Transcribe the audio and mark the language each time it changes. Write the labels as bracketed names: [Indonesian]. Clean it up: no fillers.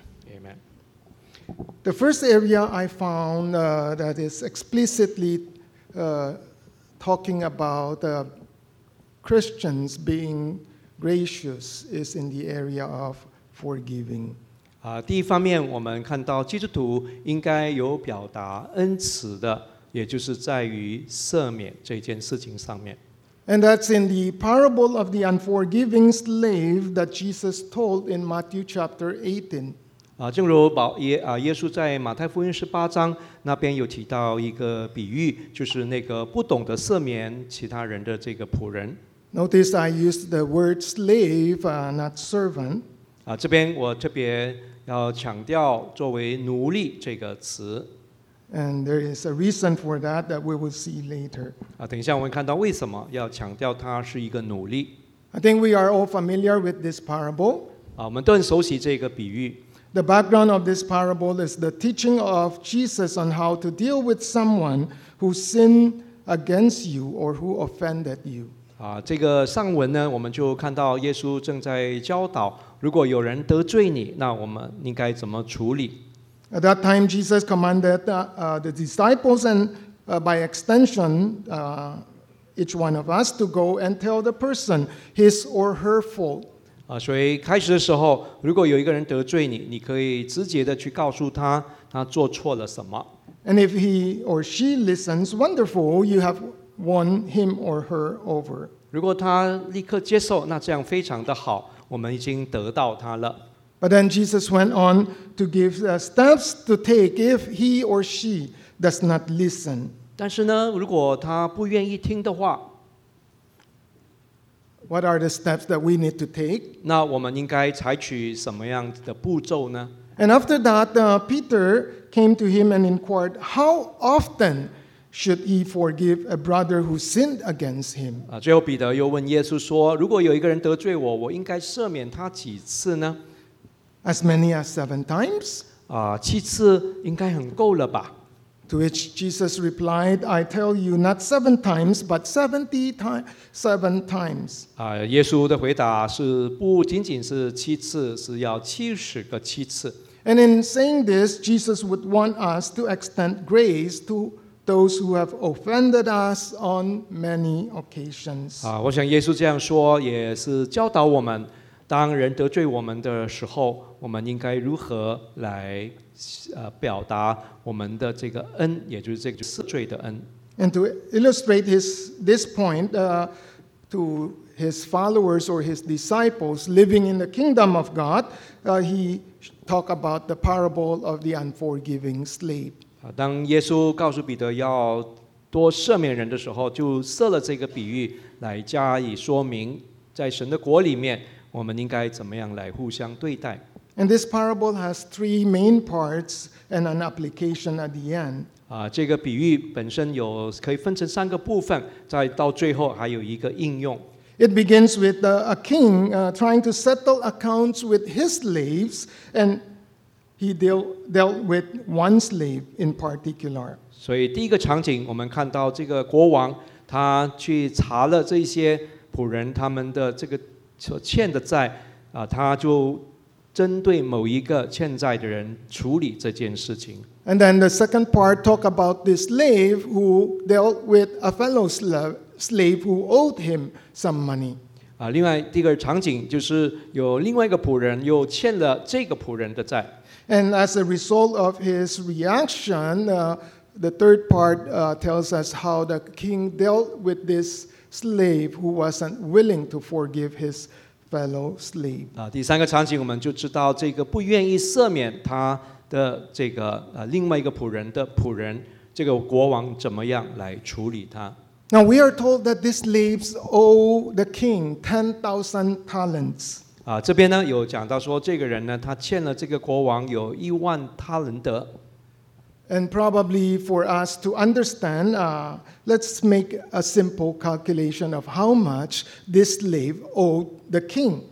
[English] Amen. The first area I found that is explicitly talking about Christians being gracious is in the area of forgiving. [Chinese] 第一方面我们看到基督徒应该有表达恩慈的，也就是在于赦免这件事情上面。 [English] And that's in the parable of the unforgiving slave that Jesus told in Matthew chapter 18. [Chinese] 正如耶稣在马太福音十八章那边有提到一个比喻，就是那个不懂得赦免其他人的这个仆人。 [English] Notice I used the word slave, not servant. [Chinese] 这边我特别要强调作为奴隶这个词。 [English] And there is a reason for that that we will see later. [Chinese] 等一下我们看到为什么要强调他是一个奴隶。 [English] I think we are all familiar with this parable. [Chinese] 我们都很熟悉这个比喻。 [English] The background of this parable is the teaching of Jesus on how to deal with someone who sinned against you or who offended you. [Chinese] 这个上文呢，我们就看到耶稣正在教导，如果有人得罪你，那我们应该怎么处理。 [English] At that time, Jesus commanded the disciples and by extension, each one of us to go and tell the person his or her fault. [Chinese] 所以开始的时候，如果有一个人得罪你，你可以直接的去告诉他，他做错了什么。 [English] And if he or she listens, wonderful, you have won him or her over. [Chinese] 如果他立刻接受，那这样非常的好，我们已经得到他了。 [English] But then Jesus went on to give steps to take if he or she does not listen. [Chinese] 但是呢，如果他不愿意听的话， [English] What are the steps that we need to take? [Chinese] 那我们应该采取什么样的步骤呢？ [English] And after that, Peter came to him and inquired, how often should he forgive a brother who sinned against him? [Chinese] 最后彼得又问耶稣说，如果有一个人得罪我，我应该赦免他几次呢？ [English] As many as seven times? [Chinese] 七次应该很够了吧。 [English] To which Jesus replied, I tell you, not seven times, but 70 times, seven times. [Chinese] 耶稣的回答是不仅仅是七次，是要七十个七次。 [English] And in saying this, Jesus would want us to extend grace to those who have offended us on many occasions. [Chinese] 我想耶稣这样说也是教导我们，当人得罪我们的时候，我们应该如何来表达我们的这个恩，也就是这个赦罪的恩。 [English] And to illustrate this point to his followers or his disciples living in the kingdom of God, he talked about the parable of the unforgiving slave. [Chinese] 当耶稣告诉彼得要多赦免人的时候，就设了这个比喻来加以说明，在神的国里面我们应该怎么样来互相对待。 [English] And this parable has three main parts and an application at the end. [Chinese] 这个比喻本身有可以分成三个部分，再到最后还有一个应用。 [English] It begins with a king trying to settle accounts with his slaves, and he dealt with one slave in particular. [Chinese] 所以第一个场景，我们看到这个国王他去查了这些仆人他们的这个所欠的债，他就针对某一个欠债的人处理这件事情。 [English] And then the second part talk about this slave who dealt with a fellow slave who owed him some money. [Chinese] 另外第二个场景就是有另外一个仆人又欠了这个仆人的债。 [English] And as a result of his reaction, the third part tells us how the king dealt with this slave who wasn't willing to forgive his fellow slave. [Chinese] 第三个场景我们就知道这个不愿意赦免他的这个另外一个仆人的仆人，这个国王怎么样来处理他。 [English] Now we are told that this slave owed the king 10,000 talents. [Chinese] 这边呢有讲到说这个人呢他欠了这个国王有一万他仁德。 [English] And probably for us to understand, let's make a simple calculation of how much this slave owed the king.